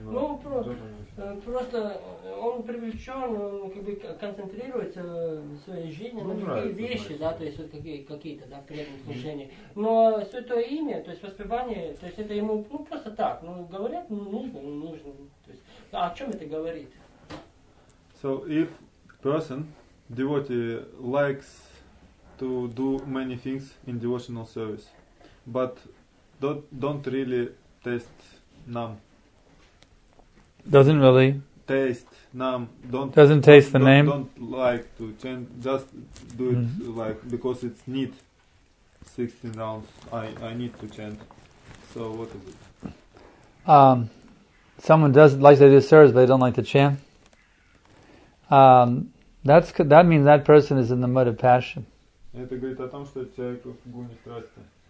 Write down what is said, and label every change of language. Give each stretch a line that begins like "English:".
Russian: Ну просто он привлечен, он как бы концентрируется в своей жизни на другие вещи, да, то есть вот какие-то, да, приятные отношения. Но святое имя, то есть воспевание, то есть это ему ну просто так, ну говорят, ну нужно, ну нужно. То есть, а о чем это говорит?
English: So if person, devotee, likes to do many things in devotional service, but don't really taste nam. Doesn't really taste nam. Don't doesn't taste the name. Don't like to chant. Just do it like because it's neat. 16 rounds. I need to chant. So what is it? Someone does like to do service, but they don't like to chant. That means that person is in the mud of passion.
Russian: Это говорит о том, что человек в гуне страсти.